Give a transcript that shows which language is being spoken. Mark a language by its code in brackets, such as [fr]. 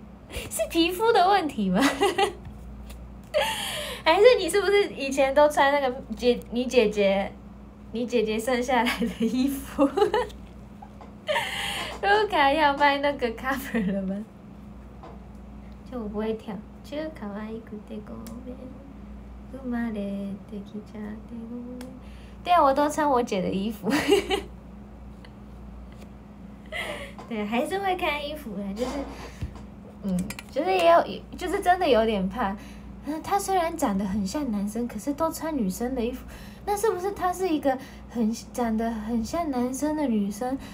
[zh] 是皮肤的问题吗？还是你是不是以前都穿那个你姐姐剩下来的衣服？卢卡要卖那个 cover 了吗？就我不会跳，就 [ja] 可爱くてごめん。生まれてきちゃってごめん。 [zh] 对啊，我都穿我姐的衣服。对，还是会看衣服的，就是也有，就是真的有点怕。他虽然长得很像男生，可是都穿女生的衣服，那是不是他是一个很长得很像男生的女生？